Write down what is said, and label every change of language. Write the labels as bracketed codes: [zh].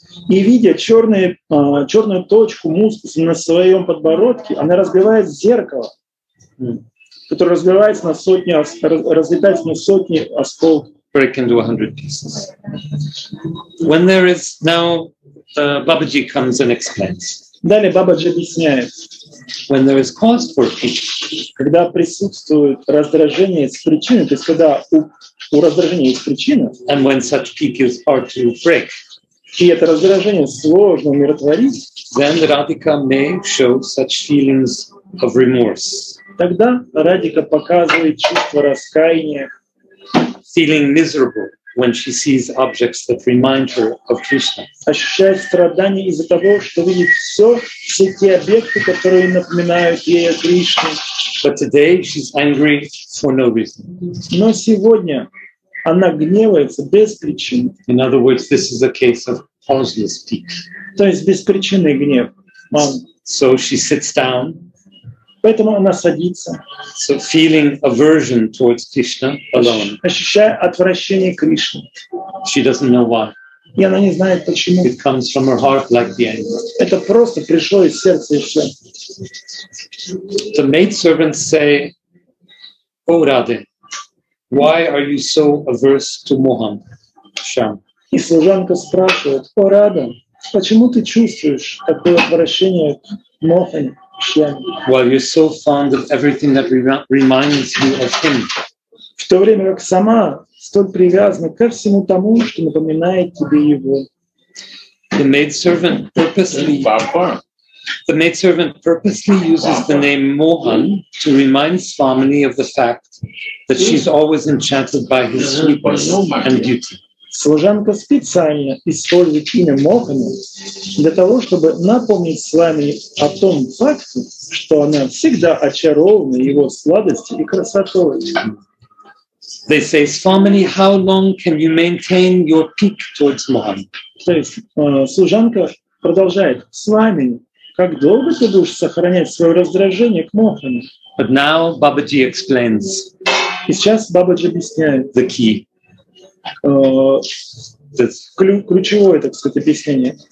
[ru] И видя черную точку мускуса на своем подбородке, она разбивает зеркало, которое разбивается на сотни, разлетается на сотни осколков. [en] Break into 100 pieces. When there is now, Babaji comes and explains. [ru] Далее Бабаджи объясняет. [en] When there is cause for pique, [ru] когда присутствует раздражение с причины, то есть когда у раздражения есть причина. [en] And when such pique is hard to break, [ru] и это раздражение сложно умиротворить. [en] Then Radhika may show such feelings of remorse. [ru] Тогда Радика показывает чувство раскаяния. [en] Feeling miserable when she sees objects that remind her of Krishna. [ru] Ощущает страдание из-за того, что видит все те объекты, которые напоминают ей о Кришне. [en] But today she's angry for no reason. [ru] Но сегодня она гневается без причины. [en] In other words, this is a case of causeless pique. [ru] То есть беспричинный гнев. [en] So she sits down. [ru] Поэтому она садится. [en] So feeling aversion towards Krishna alone. [ru] Ощущая отвращение к Кришне. [en] She doesn't know why. [ru] И она не знает почему. [en] It comes from her heart like the anger. [ru] Это просто пришло из сердца и все. [en] The maid servants say, "O Radhe, why are you so averse to Mohan, Shyam?" [ru] И служанка спрашивает: "О Радхе, почему ты чувствуешь такое отвращение к Мохане?" [en] While you're so fond of everything that reminds you of him, [ru] в то время как сама столь привязана ко всему тому, что напоминает тебе его. [en] The maidservant purposely, the maidservant purposely uses the name Mohan to remind Swamini of the fact that she's always enchanted by his sweetness and beauty. [ru] Служанка специально использует имя Мохана для того, чтобы напомнить Свамини о том факте, что она всегда очарована его сладостью и красотой. [en] They say, Swamini, how long can you maintain your peak towards Mohan? [ru] То есть служанка продолжает, Свамини, как долго ты будешь сохранять свое раздражение к Мохану? [en] But now Бабаджи explains. [ru] И сейчас Бабаджи объясняет. [en] The key. [ru] Ключевое, так сказать, объяснение.